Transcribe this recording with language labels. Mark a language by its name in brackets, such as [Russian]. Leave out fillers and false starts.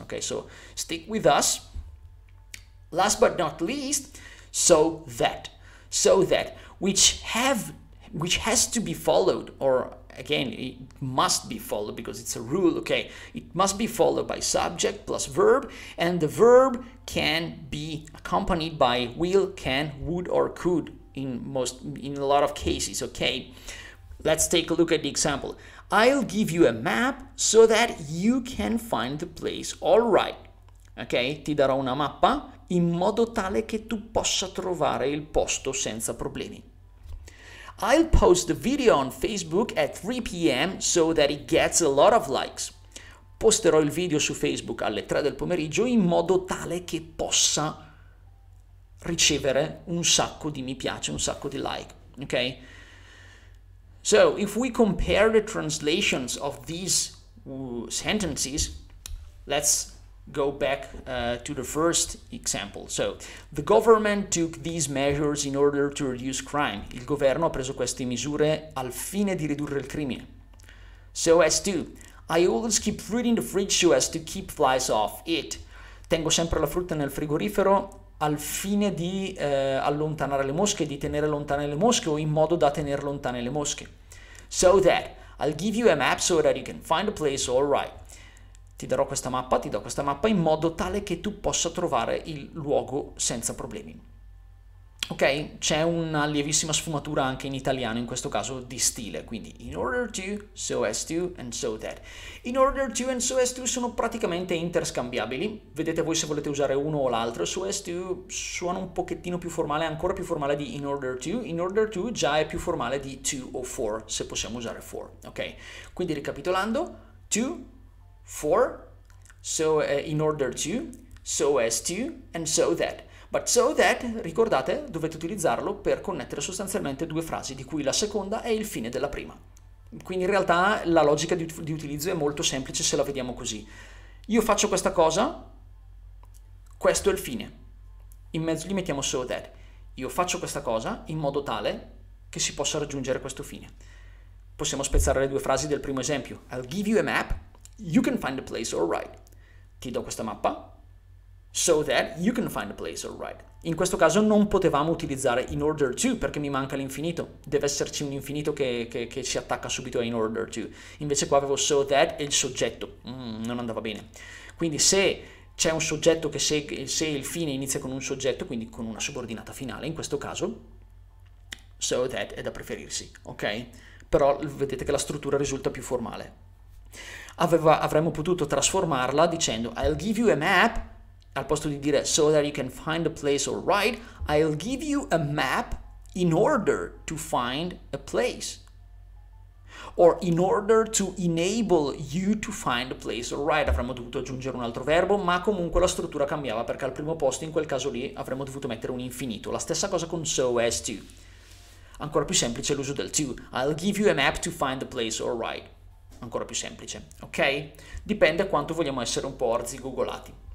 [English] Okay, so stick with us. Last but not least, so that, which has to be followed, or again, it must be followed because it's a rule, okay, it must be followed by subject plus verb, and the verb can be accompanied by will, can, would, or could. In a lot of cases, okay? Let's take a look at the example. I'll give you a map so that you can find the place all right. Okay? [Italian] Ti darò una mappa in modo tale che tu possa trovare il posto senza problemi. [English] I'll post the video on Facebook at 3 p.m. so that it gets a lot of likes. [Italian] Posterò il video su Facebook alle 3 del pomeriggio in modo tale che possa ricevere un sacco di mi piace, un sacco di like, okay? [English] So, if we compare the translations of these sentences, let's go back to the first example. So, the government took these measures in order to reduce crime. [Italian] Il governo ha preso queste misure al fine di ridurre il crimine. [English] So as to, I always keep fruit in the fridge so as to keep flies off it. [Italian] Tengo sempre la frutta nel frigorifero al fine di allontanare le mosche, di tenere lontane le mosche o in modo da tenere lontane le mosche. [English] So that, I'll give you a map so that you can find a place all right. [Italian] Ti do questa mappa in modo tale che tu possa trovare il luogo senza problemi. Ok, c'è una lievissima sfumatura anche in italiano, in questo caso di stile, quindi in order to, so as to, and so that. In order to and so as to sono praticamente interscambiabili, vedete voi se volete usare uno o l'altro, so as to suona un pochettino più formale, ancora più formale di in order to già è più formale di to o for, se possiamo usare for, ok? Quindi ricapitolando, to, for, so in order to, so as to, and so that. But so that, ricordate, dovete utilizzarlo per connettere sostanzialmente due frasi, di cui la seconda è il fine della prima. Quindi in realtà la logica di utilizzo è molto semplice se la vediamo così. Io faccio questa cosa, questo è il fine. In mezzo gli mettiamo so that. Io faccio questa cosa in modo tale che si possa raggiungere questo fine. Possiamo spezzare le due frasi del primo esempio. [English] I'll give you a map, you can find a place all right. [Italian] Ti do questa mappa. [English] So that you can find a place, all right. [Italian] In questo caso non potevamo utilizzare in order to perché mi manca l'infinito. Deve esserci un infinito che si attacca subito a in order to. Invece qua avevo so that e il soggetto. Non andava bene. Quindi se c'è un soggetto che se il fine inizia con un soggetto, quindi con una subordinata finale, in questo caso so that è da preferirsi, ok? Però vedete che la struttura risulta più formale. Avremmo potuto trasformarla dicendo [English] I'll give you a map. [Italian] Al posto di dire [English] so that you can find a place all right, I'll give you a map in order to find a place. Or in order to enable you to find a place all right. [Italian] Avremmo dovuto aggiungere un altro verbo, ma comunque la struttura cambiava perché al primo posto in quel caso lì avremmo dovuto mettere un infinito. La stessa cosa con [English] so as to. [Italian] Ancora più semplice l'uso del to. [English] I'll give you a map to find a place all right. [Italian] ancora più semplice, ok? Dipende a quanto vogliamo essere un po' arzigogolati.